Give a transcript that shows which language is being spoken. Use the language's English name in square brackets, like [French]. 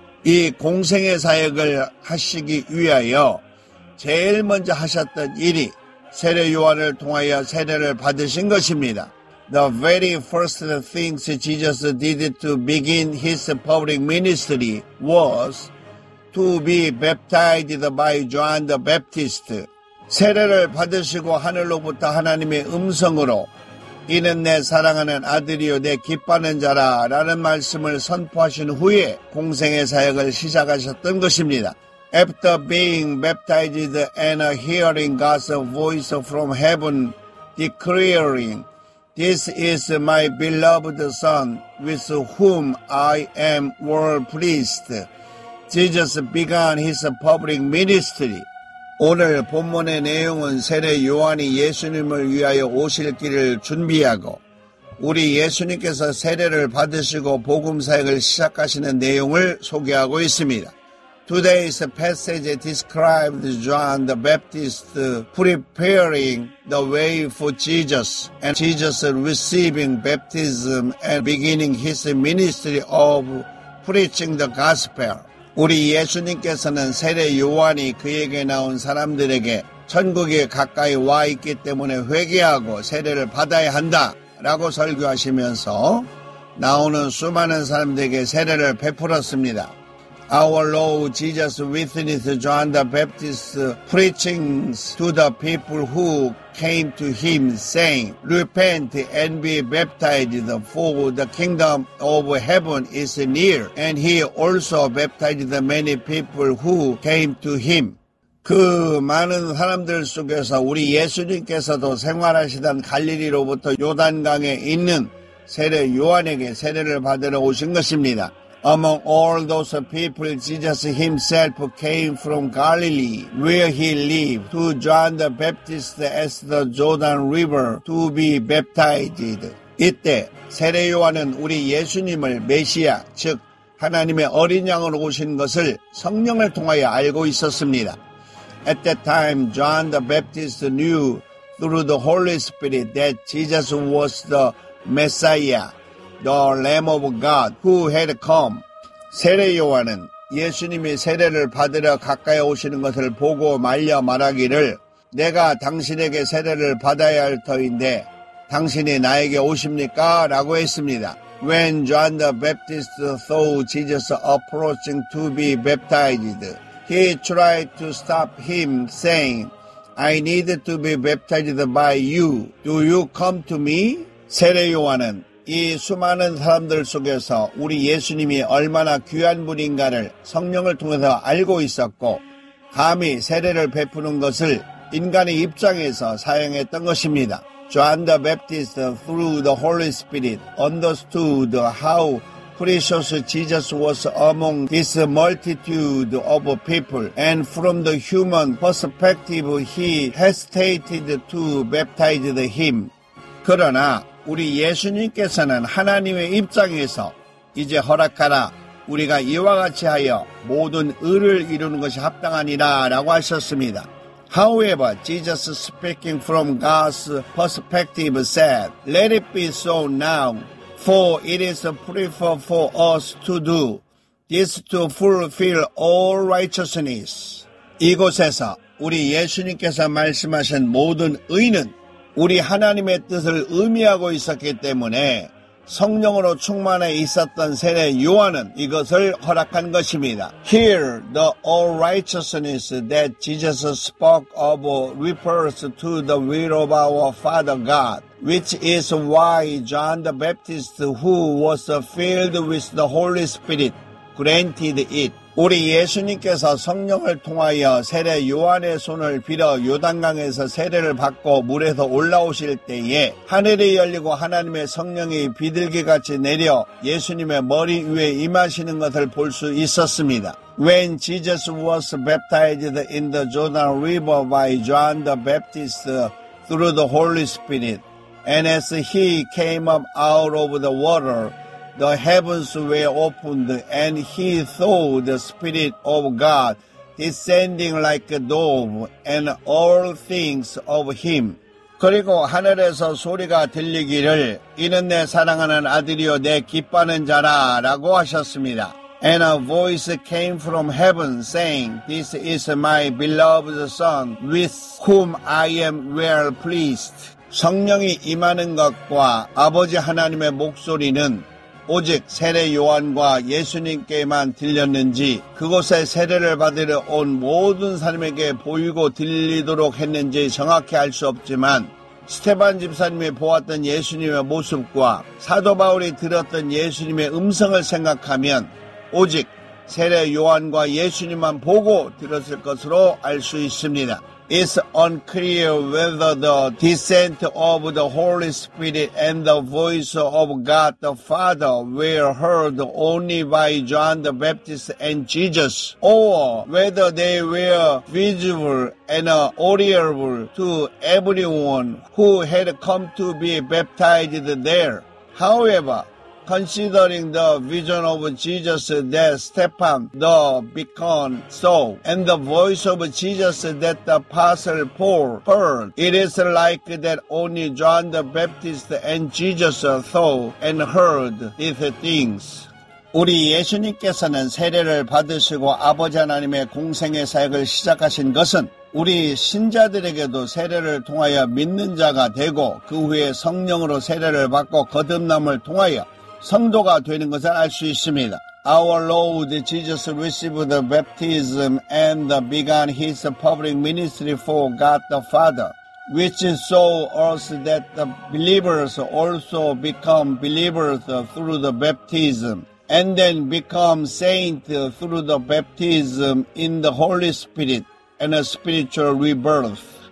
[Korean] 이 공생의 사역을 하시기 위하여 제일 먼저 하셨던 일이 세례 요한을 통하여 세례를 받으신 것입니다. [English] The very first things Jesus did to begin his public ministry was to be baptized by John the Baptist. [Korean] 세례를 받으시고 하늘로부터 하나님의 음성으로 이는 내 사랑하는 아들이요 내 기뻐하는 자라 라는 말씀을 선포하신 후에 공생의 사역을 시작하셨던 것입니다. [English] After being baptized and hearing God's voice from heaven declaring, This is my beloved son with whom I am well pleased. Jesus began his public ministry. [Korean] 오늘 본문의 내용은 세례 요한이 예수님을 위하여 오실 길을 준비하고 우리 예수님께서 세례를 받으시고 복음 사역을 시작하시는 내용을 소개하고 있습니다. [English] Today's passage describes John the Baptist preparing the way for Jesus and Jesus receiving baptism and beginning his ministry of preaching the gospel. [Korean] 우리 예수님께서는 세례 요한이 그에게 나온 사람들에게 천국에 가까이 와 있기 때문에 회개하고 세례를 받아야 한다라고 설교하시면서 나오는 수많은 사람들에게 세례를 베풀었습니다. [English] Our Lord Jesus witnessed John the Baptist's preachings to the people who came to him saying, Repent and be baptized for the kingdom of heaven is near. And he also baptized the many people who came to him. [Korean] 그 많은 사람들 속에서 우리 예수님께서도 생활하시던 갈릴리로부터 요단강에 있는 세례 요한에게 세례를 받으러 오신 것입니다. [English] Among all those people, Jesus himself came from Galilee, where he lived, to John the Baptist at the Jordan River to be baptized. [Korean] 이때 세례 요한은 우리 예수님을 메시아, 즉 하나님의 어린 양으로 오신 것을 성령을 통하여 알고 있었습니다. [English] At that time, John the Baptist knew through the Holy Spirit that Jesus was the Messiah, the Lamb of God who had come. [Korean] 세례 요한은 예수님이 세례를 받으러 가까이 오시는 것을 보고 말려 말하기를 내가 당신에게 세례를 받아야 할 터인데 당신이 나에게 오십니까? 라고 했습니다. [English] When John the Baptist saw Jesus approaching to be baptized, he tried to stop him saying, I need to be baptized by you. Do you come to me? [Korean] 세례 요한은 이 수많은 사람들 속에서 우리 예수님이 얼마나 귀한 분인가를 성령을 통해서 알고 있었고 감히 세례를 베푸는 것을 인간의 입장에서 사용했던 것입니다. [English] John the Baptist through the Holy Spirit understood how precious Jesus was among this multitude of people and from the human perspective he hesitated to baptize him. [Korean] 그러나 우리 예수님께서는 하나님의 입장에서 이제 허락하라 우리가 이와 같이 하여 모든 의를 이루는 것이 합당하니라 라고 하셨습니다. [English] However, Jesus speaking from God's perspective said, Let it be so now, for it is preferred for us to do this to fulfill all righteousness. [Korean] 이곳에서 우리 예수님께서 말씀하신 모든 의는 우리 하나님의 뜻을 의미하고 있었기 때문에 성령으로 충만해 있었던 세례 요한은 이것을 허락한 것입니다. [English] Here, the all righteousness that Jesus spoke of refers to the will of our Father God, which is why John the Baptist, who was filled with the Holy Spirit, granted it. [Korean] 우리 예수님께서 성령을 통하여 세례 요한의 손을 빌어 요단강에서 세례를 받고 물에서 올라오실 때에 하늘이 열리고 하나님의 성령이 비둘기같이 내려 예수님의 머리 위에 임하시는 것을 볼 수 있었습니다. [English] When Jesus was baptized in the Jordan River by John the Baptist through the Holy Spirit, and as he came up out of the water, The heavens were opened, and he saw the Spirit of God descending like a dove, and all things of him. [Korean] 그리고 하늘에서 소리가 들리기를, 이는 내 사랑하는 아들이요, 내 기뻐하는 자라, 라고 하셨습니다. [English] And a voice came from heaven saying, This is my beloved Son, with whom I am well pleased. [Korean] 성령이 임하는 것과 아버지 하나님의 목소리는 오직 세례 요한과 예수님께만 들렸는지 그곳에 세례를 받으러 온 모든 사람에게 보이고 들리도록 했는지 정확히 알 수 없지만 스테반 집사님이 보았던 예수님의 모습과 사도 바울이 들었던 예수님의 음성을 생각하면 오직 세례 요한과 예수님만 보고 들었을 것으로 알 수 있습니다. [English] It's unclear whether the descent of the Holy Spirit and the voice of God the Father were heard only by John the Baptist and Jesus, or whether they were visible and audible to everyone who had come to be baptized there. However, considering the vision of Jesus that Stephen the beacon saw, and the voice of Jesus that the apostle Paul heard, it is like that only John the Baptist and Jesus saw and heard these things. [Korean] 우리 예수님께서는 세례를 받으시고 아버지 하나님의 공생의 사역을 시작하신 것은 우리 신자들에게도 세례를 통하여 믿는 자가 되고 그 후에 성령으로 세례를 받고 거듭남을 통하여 성도가 되는 것을 알 수 있습니다. [English] Our Lord Jesus received the baptism and began his public ministry for God the Father, which saw us that the believers also become believers through the baptism, and then become saints through the baptism in the Holy Spirit and a spiritual rebirth.